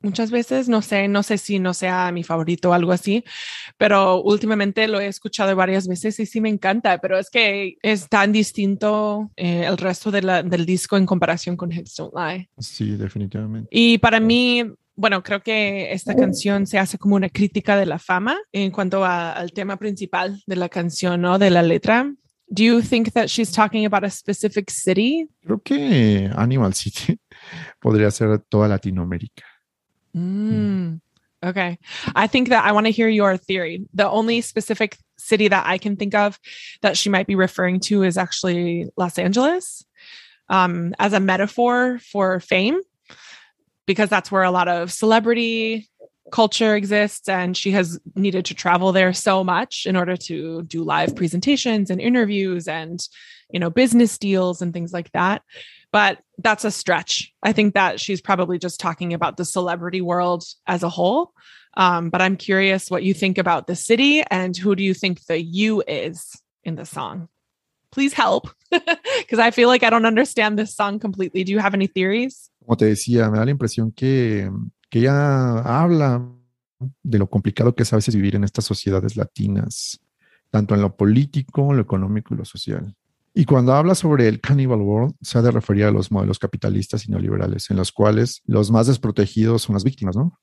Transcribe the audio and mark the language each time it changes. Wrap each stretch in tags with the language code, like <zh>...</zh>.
<es>Muchas veces, no sé si no sea mi favorito o algo así, pero últimamente lo he escuchado varias veces y sí me encanta, pero es que es tan distinto el resto de del disco en comparación con Heads Don't Lie. Sí, definitivamente. Y para mí, bueno, creo que esta canción se hace como una crítica de la fama en cuanto al tema principal de la canción, ¿no? De la letra.</es> <en>Do you think that she's talking about a specific city?</en> <es>Creo que Animal City podría ser toda Latinoamérica.</es> <en>Okay. I think that I want to hear your theory. The only specific city that I can think of that she might be referring to is actually Los Angeles, as a metaphor for fame, because that's where a lot of celebrity culture exists, and she has needed to travel there so much in order to do live presentations and interviews and, you know, business deals and things like that. But that's a stretch. I think that she's probably just talking about the celebrity world as a whole. But I'm curious what you think about the city and who do you think the you is in the song? Please help, because I feel like I don't understand this song completely. Do you have any theories?</en> <es>Como te decía, me da la impresión que ella habla de lo complicado que es a veces vivir en estas sociedades latinas, tanto en lo político, lo económico y lo social. Y cuando habla sobre el cannibal world, se ha de referir a los modelos capitalistas y neoliberales, en los cuales los más desprotegidos son las víctimas, ¿no?</es>